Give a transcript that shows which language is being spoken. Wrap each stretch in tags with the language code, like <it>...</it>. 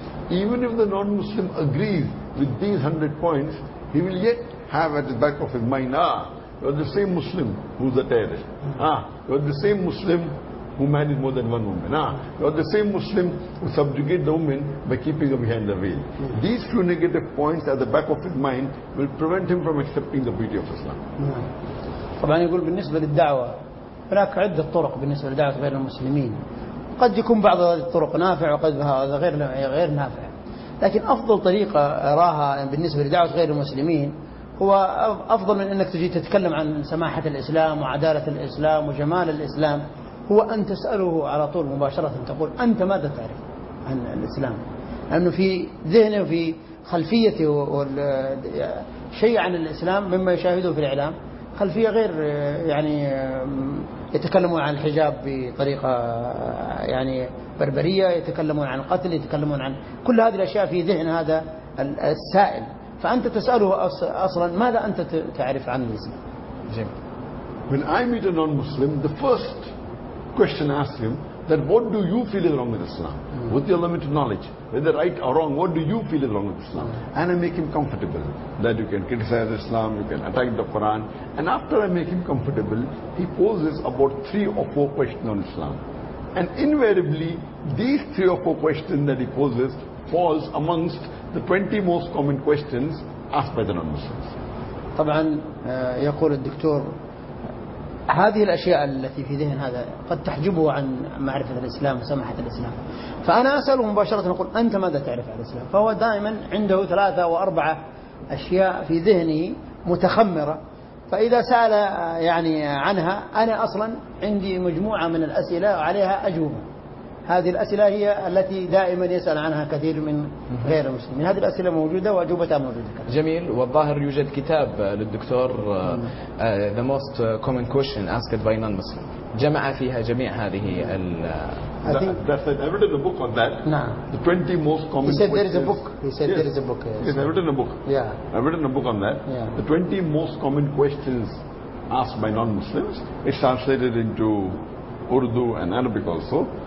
<en>Even if the non-Muslim agrees with these 100 points, he will yet have at the back of his mind, you're the same Muslim who's a terrorist. You're the same Muslim who married more than one woman. You're the same Muslim who subjugated the woman by keeping her behind the veil. These few negative points at the back of his mind will prevent him from accepting the beauty of Islam.</en> <ar>طبعا يقول بالنسبة للدعوة هناك عدة طرق بالنسبة للدعوة بين المسلمين، قد يكون بعض هذه الطرق نافع وقد هذا غير نافع، لكن أفضل طريقة أراها بالنسبة لدعوة غير المسلمين هو أفضل من أنك تجي تتكلم عن سماحة الإسلام وعدالة الإسلام وجمال الإسلام، هو أن تسأله على طول مباشرة، تقول أنت ماذا تعرف عن الإسلام، لأنه في ذهنه وفي خلفيته شيء عن الإسلام مما يشاهده في الإعلام، خلفية غير يعني يتكلمون عن الحجاب بطريقة يعني بربرية، يتكلمون عن القتل، يتكلمون عن كل هذه الأشياء في ذهن هذا السائل، فأنت تسأله أصلا ماذا أنت تعرف عن الإسلام.</ar> <en>When I meet a non-Muslim, the first question I ask him that what do you feel is wrong with Islam? With your limited knowledge, whether right or wrong, what do you feel is wrong with Islam? And I make him comfortable that you can criticize Islam, you can attack the Quran. And after I make him comfortable, he poses about 3 or 4 questions on Islam. And invariably, these 3 or 4 questions that he poses falls amongst the 20 most common questions asked by the non-Muslims.</en> <ar>طبعا يقول الدكتور هذه الأشياء التي في ذهن هذا قد تحجبه عن معرفة الإسلام وسماحة الإسلام، فأنا أسأله مباشرة أقول أنت ماذا تعرف عن الإسلام، فهو دائما عنده 3 أو 4 أشياء في ذهني متخمرة، فإذا سأل يعني عنها أنا أصلا عندي مجموعة من الأسئلة عليها أجوبة، هذه الأسئلة هي التي دائما يسأل عنها كثير من غير المسلمين، هذه الأسئلة موجودة وأجوبتها موجودة. جميل، والظاهر يوجد كتاب للدكتور</ar> <en>The Most Common Question Asked by Non-Muslim</en> <ar>جمع فيها جميع هذه ال.</ar> <en>I've written a book on that. No. The 20 most common. He said there is a book. Yes, I've written a book. Yeah. I've written a book on that. Yeah. The 20 most common questions asked by non-Muslims. It's translated into Urdu and Arabic also.</en>